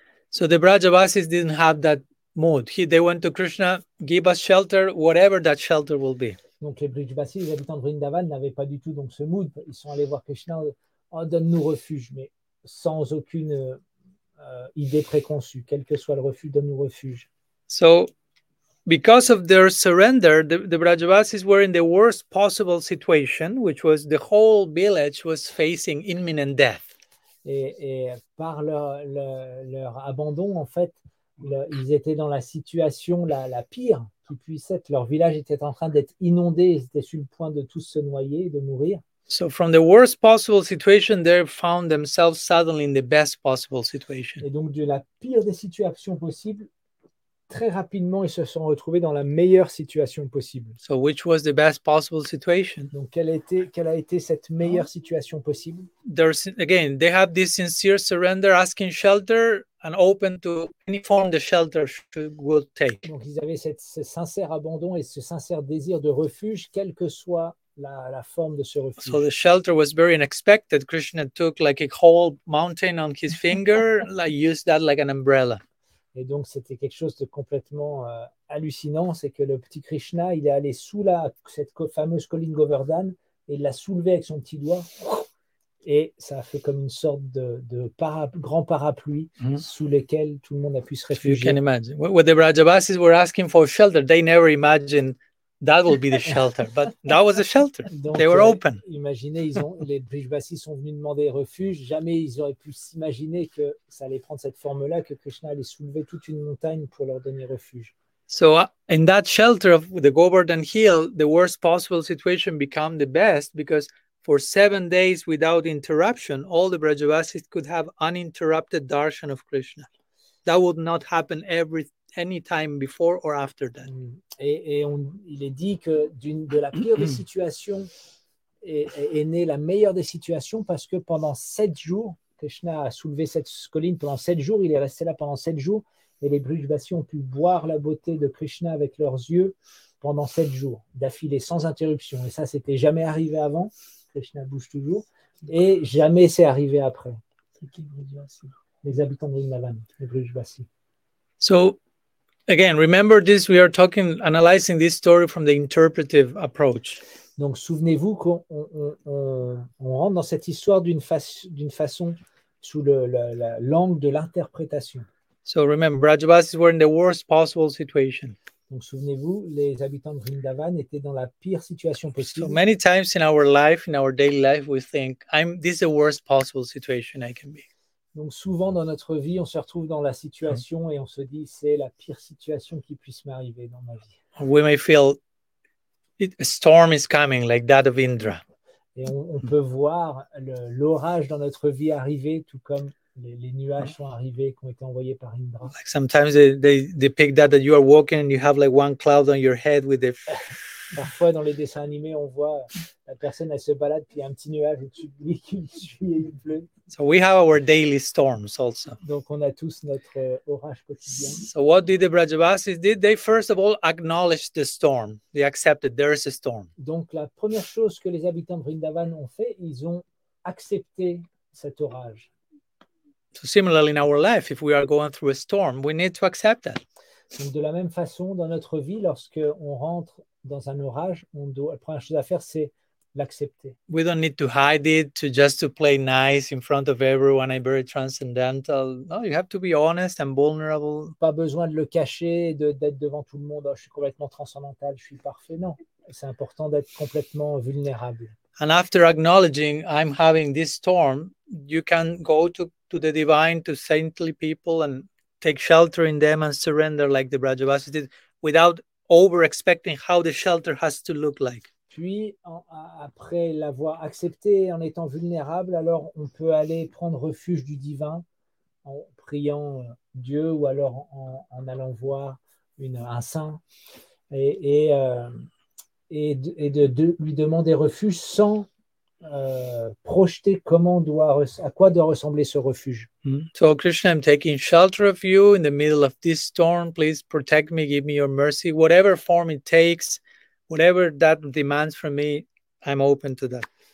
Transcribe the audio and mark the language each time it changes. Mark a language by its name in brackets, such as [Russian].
[English] So the Brajavasis didn't have that mood. They went to Krishna, give us shelter, whatever that shelter will be. [French] Donc les Brijbasis, les habitants de Vrindavan, n'avaient pas du tout donc ce mood. Ils sont allés voir Krishna, oh, donne-nous refuge, mais sans aucune idée préconçue, quel que soit le refuge, donne-nous refuge. [English] So, because of their surrender, the Brijbasis were in the worst possible situation, which was the whole village was facing imminent death. [French] Et par leur abandon, en fait, ils étaient dans la situation la pire. Puisse être. Leur village était en train d'être inondé, ils étaient sur le point de tous se noyer, de mourir. [English] So from the worst possible situation, they found themselves suddenly in the best possible situation. [French] Et donc de la pire des situations possibles, très rapidement ils se sont retrouvés dans la meilleure situation possible. [English] So which was the best possible situation? [French] Donc quelle a été cette meilleure situation possible? [English] There's again, they have this sincere surrender, asking shelter. And open to any form the shelter will take. [French] Donc ils avaient ce sincère abandon et ce sincère désir de refuge, quelle que soit la forme de ce refuge. [English] So the shelter was very unexpected. Krishna took like a whole mountain on his finger, like used that like an umbrella. [French] Et donc c'était quelque chose de complètement hallucinant, c'est que le petit Krishna, il est allé sous cette fameuse colline Govardhan et il l'a soulevé avec son petit doigt. Et ça a fait comme une sorte grand parapluie sous lequel tout le monde a pu se réfugier. [English] You can imagine. When the Brajavasis were asking for shelter, they never imagined that would be the shelter. But that was the shelter. [French] Donc, [English] they were open. [French] Imaginez, les Brajavasis sont venus demander refuge. Jamais ils auraient pu s'imaginer que ça allait prendre cette forme-là, que Krishna allait soulever toute une montagne pour leur donner refuge. [English] So in that shelter of the Govardhan Hill, the worst possible situation became the best because for 7 days without interruption, all the Brajavasis could have uninterrupted darshan of Krishna. That would not happen any time before or after that. [French] Il est dit que de la pire des situations est née la meilleure des situations parce que pendant 7 jours, Krishna a soulevé cette colline pendant 7 jours, il est resté là pendant 7 jours et les Brajavasis ont pu voir la beauté de Krishna avec leurs yeux pendant 7 jours d'affilée sans interruption. Et ça, c'était jamais arrivé avant. Krishna bouge toujours et jamais c'est arrivé après. Les habitants de Vrindavan, les Brijbasis. [English] So, again, remember this, we are talking, analyzing this story from the interpretive approach. [French] Donc, souvenez-vous qu'on rentre dans cette histoire d'une façon sous la langue de l'interprétation. [English] So, remember, Brijbasis were in the worst possible situation. [French] Donc souvenez-vous, les habitants de Vrindavan étaient dans la pire situation possible. [English] So many times in our life, in our daily life, we think, this is the worst possible situation I can be. [French] Donc souvent dans notre vie, on se retrouve dans la situation et on se dit, c'est la pire situation qui puisse m'arriver dans ma vie. [English] We may feel a storm is coming, like that of Indra. [French] Et on peut voir l'orage dans notre vie arriver, tout comme les nuages sont arrivés, qui ont été envoyés par Indra. [English] Like sometimes they pick that you are walking and you have like one cloud on your head with the... [French] Parfois, dans les dessins animés, on voit la personne, elle se balade, puis il y a un petit nuage au-dessus qui suit et il pleut. [English] So we have our daily storms also. [French] Donc, on a tous notre orage quotidien. [English] So what did the Brajavasis did? They first of all acknowledged the storm. They accepted there is a storm. [French] Donc, la première chose que les habitants de Vrindavan ont fait, ils ont accepté cet orage. [English] So similarly in our life, if we are going through a storm, we need to accept that. [French] Donc, de la même façon, dans notre vie, lorsque on rentre dans un orage, la première chose à faire, c'est l'accepter. [English] We don't need to hide it, to play nice in front of everyone. I'm very transcendental. No, you have to be honest and vulnerable. [French] Pas besoin de le cacher, d'être devant tout le monde. Oh, je suis complètement transcendantal, je suis parfait. Non, c'est important d'être complètement vulnérable. [English] And after acknowledging I'm having this storm, you can go to the divine, to saintly people and take shelter in them and surrender like the Brajavasis did without over expecting how the shelter has to look like. [French] Puis après l'avoir accepté en étant vulnérable, alors on peut aller prendre refuge du divin en priant Dieu ou alors en allant voir un saint et de lui demander refuge sans projeter à quoi doit ressembler ce refuge. [English] So Krishna, I'm taking shelter of you in the middle of this storm. Please protect me, give me your mercy. Whatever form it takes, whatever that demands from me, I'm open to that.